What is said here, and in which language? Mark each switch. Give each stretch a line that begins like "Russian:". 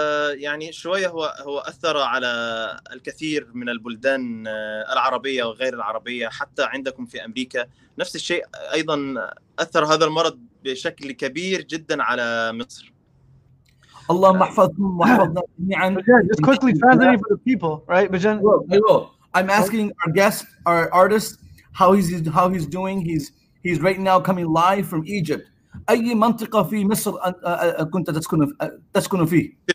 Arabic: يعني شوية هو أثر على الكثير من البلدان العربية وغير العربية، حتى عندكم في أمريكا نفس الشيء، أيضا أثر هذا المرض بشكل كبير جدا على مصر. الله محفظكم وحفظنا جميعا.
English: Just quickly translate for the people, right, Bajan? Hello. I'm asking our guest, our artist, how he's doing. He's right now coming live from Egypt.
Arabic: أي منطقة في مصر كنت تسكن فيه؟